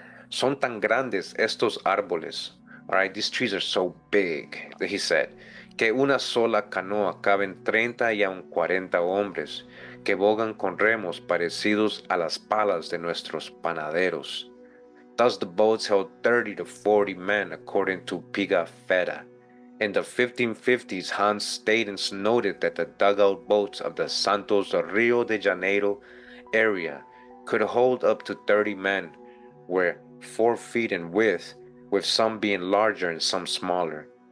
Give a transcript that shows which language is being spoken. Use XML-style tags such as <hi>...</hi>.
<es>Son tan grandes estos árboles.</es> <en>All right, these trees are so big, he said.</en> <es>Que una sola canoa caben 30 y aun 40 hombres. Que bogan con remos parecidos a las palas de nuestros panaderos.</es> <en>Thus the boats held 30 to 40 men, according to Pigafetta. In the 1550s, Hans Stadens noted that the dugout boats of the Santos Rio de Janeiro area could hold up to 30 men, were 4 feet in width, with some being larger and some smaller.</en>